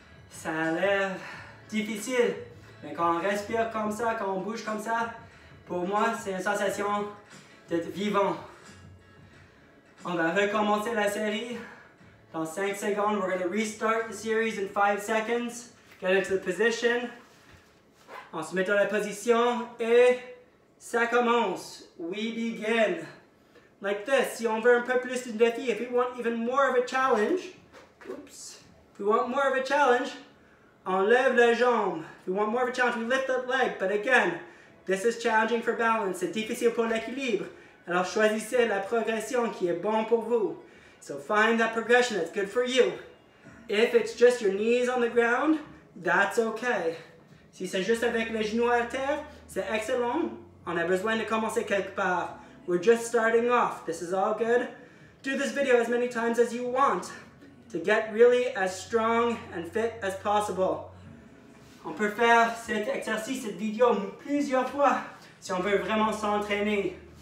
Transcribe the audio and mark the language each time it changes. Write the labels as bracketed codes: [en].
[fr] Ça a l'air difficile, mais quand on respire comme ça, quand on bouge comme ça, pour moi, c'est une sensation d'être vivant. On va recommencer la série dans 5 secondes. [en] We're going to restart the series in 5 seconds. Get into the position. [fr] On se met dans la position et ça commence. [en] We begin. Like this. [fr] Si on veut un peu plus de défi, [en] if we want even more of a challenge, oops, if we want more of a challenge, [fr] enlève la jambe. [en] If we want more of a challenge, we lift the leg. But again, this is challenging for balance. [fr] C'est difficile pour l'équilibre. Alors choisissez la progression qui est bonne pour vous. [en] So find that progression that's good for you. If it's just your knees on the ground, that's okay. [fr] Si c'est juste avec les genoux à terre, c'est excellent. On a besoin de commencer quelque part. [en] We're just starting off. This is all good. Do this video as many times as you want to get really as strong and fit as possible. [fr] On peut faire cet exercice, cette vidéo plusieurs fois si on veut vraiment s'entraîner.